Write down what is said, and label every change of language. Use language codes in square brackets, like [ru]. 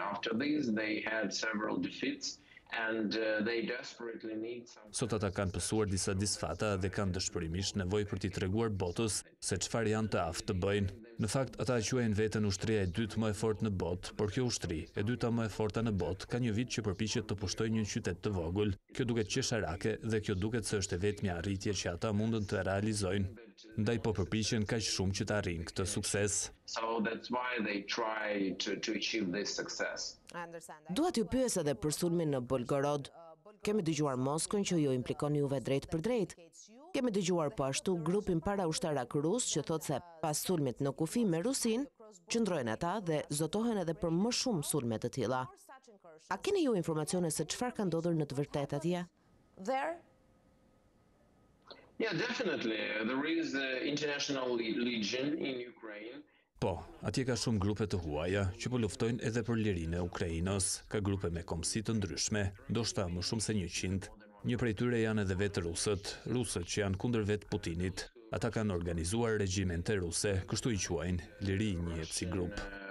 [en] After this they had several defeats and they desperately need some. [sq] Sot ata kanë pësuar disa disfata dhe kanë dëshpërimisht nevojë për t'i treguar botës se çfarë janë të aftë të bëjnë. Në fakt ata quajnë veten ushtria e dytë më e fortë në botë, por kjo ushtri, e dyta më e forta në botë, ka një vit që përpiqet të pushtojë një qytet të vogël. Kjo duket qesharake dhe kjo duket se është e vetmja arritje që ata mundën të realizojnë. Ndaj po përpiqen kaq shumë që të arrijnë këtë sukses. [en] So that's why they try to achieve this success. [sq] Dua t'ju pyes edhe për sulmin në Bolgorod. Kemi dëgjuar Moskën që ju implikon juve drejt për drejt. Kemi dëgjuar po ashtu grupin para ushtarak rus që thot se pas sulmit në kufi me Rusin, qëndrojnë ata dhe zotohen edhe për më shumë sulme të tilla. A keni ju informacione se çfarë ka ndodhur në të vërtetë atje? [en] There? Yeah, definitely. There is the international legion in Ukraine. [sq] Po, atje ka shumë grupe të huaja që po luftojnë edhe për lirinë e Ukrainës. Ka grupe me komsi të ndryshme, ndoshta më shumë se 100. Një prej tyre janë edhe vetë rusët, rusët që janë kundër vetë Putinit. Ata kanë organizuar regjimente ruse, kështu i quajnë, liri njëhet si grup.